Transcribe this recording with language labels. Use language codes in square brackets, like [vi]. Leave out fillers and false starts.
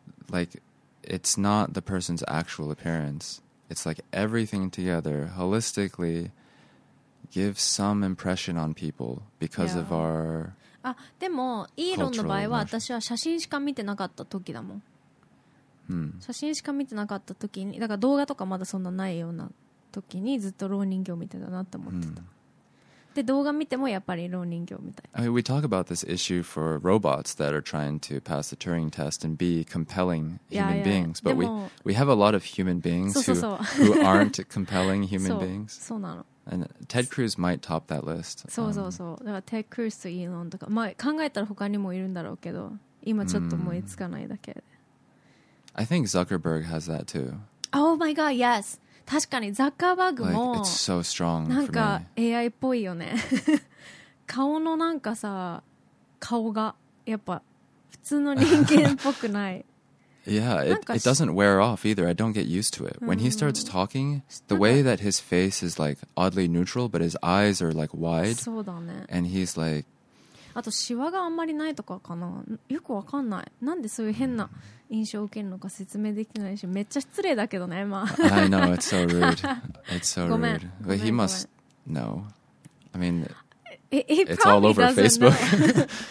[en] Like, it's not the person's actual appearance. It's like everything together holistically gives some impression on people because of our cultural emotion. But in Elon's case, I haven't seen photos yet. I haven't seen photos yet. [ja] 写真しか見てなかった時に、だから動画とかまだそんなないような時にずっと老人形みたいだなと思ってた。で動画見てもやっぱり老人形みたい。 [en] I mean, we talk about this issue for robots that are trying to pass the Turing test and be compelling human beings, but we have a lot of human beings who aren't compelling human beings. [ja] そうなの。 [en] And Ted Cruz might top that list. [ja] そうそうそう。だからテッド・クルーズとイーロンとか、まあ考えたら他にもいるんだろうけど、今ちょっと思いつかないだけで。 [en] I think Zuckerberg has that too. Oh my god, yes. [ja] 確かにザッカーバーグも、 [en] like, it's so strong [ja] なんか AI っぽいよね。顔のなんかさ、顔がやっぱ普通の人間っぽくない。 [en] Yeah, it doesn't wear off either. I don't get used to it. When he starts talking, the way that his face is like oddly neutral, but his eyes are like wide. [ja] そうだね。 [en] And he's like... [ja] あとシワがあんまりないとかかな。よくわかんない。なんでそういう変な印象を受けるのか説明できないし、めっちゃ失礼だけどね、まあ。 [en] I know, it's so rude. It's so rude. But he must know. I mean, it's all over Facebook.